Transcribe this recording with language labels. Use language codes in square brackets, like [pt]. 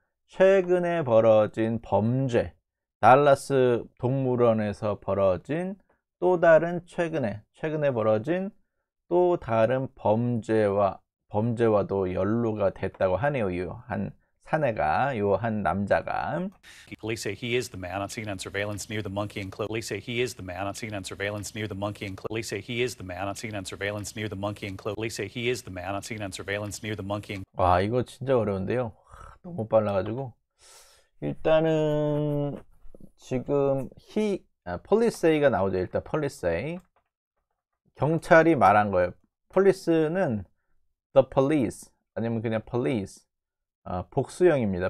[ko] 최근에 벌어진 범죄. 달라스 동물원에서 벌어진 또 다른 최근에 벌어진 또 다른 범죄와도 연루가 됐다고 하네요. 요한 남자가. [en] Police say he is the man on scene on surveillance near the monkey enclosure. Police say he is the man on scene on surveillance near the monkey enclosure. Police say he is the man on scene on surveillance near the monkey enclosure. Police say he is the man on scene on surveillance near the monkey enclosure. [ko] 와, 이거 진짜 어려운데요. 너무 빨라 가지고. 일단은 지금 [en] police say [ko] 가 나오죠. 일단 [en] police say. [ko] 경찰이 말한 거예요. Police는 [en] the police [ko] 아니면 그냥 police. 복수형입니다.